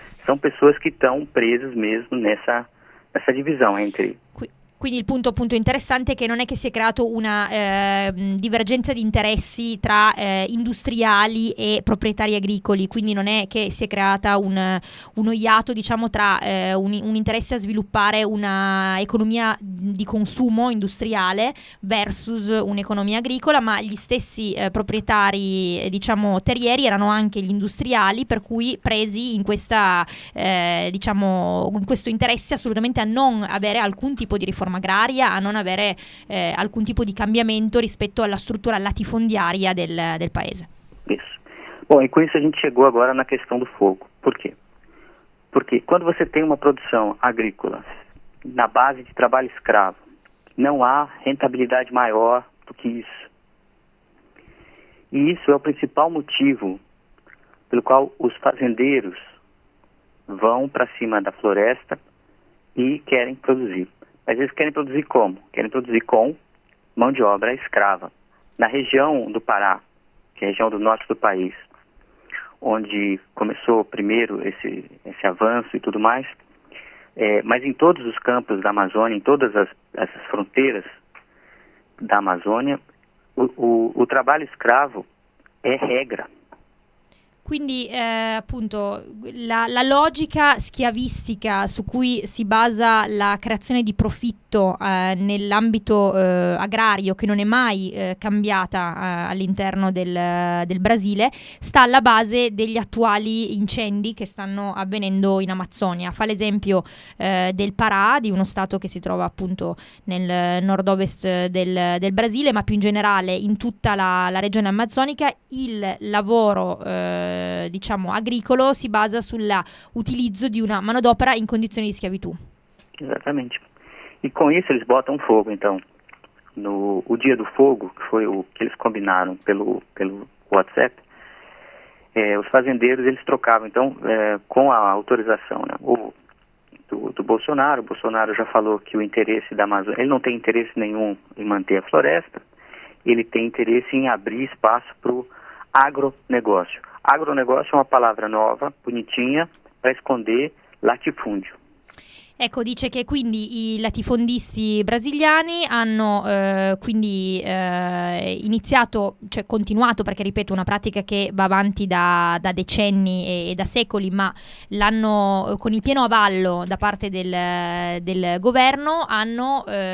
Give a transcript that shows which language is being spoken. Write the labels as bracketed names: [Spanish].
[Portuguese] São pessoas que estão presas mesmo nessa divisão entre... [Italian] Quindi il punto appunto interessante è che non è che si è creato una divergenza di interessi tra industriali e proprietari agricoli, quindi non è che si è creata uno iato, diciamo, tra un interesse a sviluppare una economia di consumo industriale versus un'economia agricola, ma gli stessi proprietari, diciamo, terrieri erano anche gli industriali, per cui presi in questa diciamo in questo interesse assolutamente a non avere alcun tipo di riforma agraria, a non avere alcun tipo di cambiamento rispetto alla struttura latifondiaria del paese. [Portuguese] Isso. Bom, e com isso a gente chegou agora na questão do fogo. Por quê? Porque quando você tem uma produção agrícola na base de trabalho escravo, não há rentabilidade maior do que isso. E isso é o principal motivo pelo qual os fazendeiros vão para cima da floresta e querem produzir. Mas eles querem produzir como? Querem produzir com mão de obra escrava. Na região do Pará, que é a região do norte do país, onde começou primeiro esse avanço e tudo mais, mas em todos os campos da Amazônia, em todas essas fronteiras da Amazônia, o trabalho escravo é regra. [Italian] Quindi appunto la logica schiavistica su cui si basa la creazione di profitto nell'ambito agrario, che non è mai cambiata all'interno del Brasile, sta alla base degli attuali incendi che stanno avvenendo in Amazzonia. Fa l'esempio del Pará, di uno stato che si trova appunto nel nord-ovest del Brasile, ma più in generale in tutta la regione amazzonica. Il lavoro diciamo agricolo si basa sull'utilizzo di una manodopera in condizioni di schiavitù. Esattamente. [Portuguese] E con isso eles botam fogo, então. No o dia do fogo, que foi o que eles combinaram pelo WhatsApp, os fazendeiros eles trocavam, então, com a autorização, né, do Bolsonaro. O Bolsonaro já falou que o interesse da Amazônia, ele não tem interesse nenhum em manter a floresta, ele tem interesse em abrir espaço para o agronegócio. Agronegócio é uma palavra nova, bonitinha, para esconder latifúndio. [Italian] Ecco, dice che quindi i latifondisti brasiliani hanno quindi iniziato, cioè continuato, perché ripeto, una pratica che va avanti da decenni e da secoli, ma l'hanno con il pieno avallo da parte del governo, hanno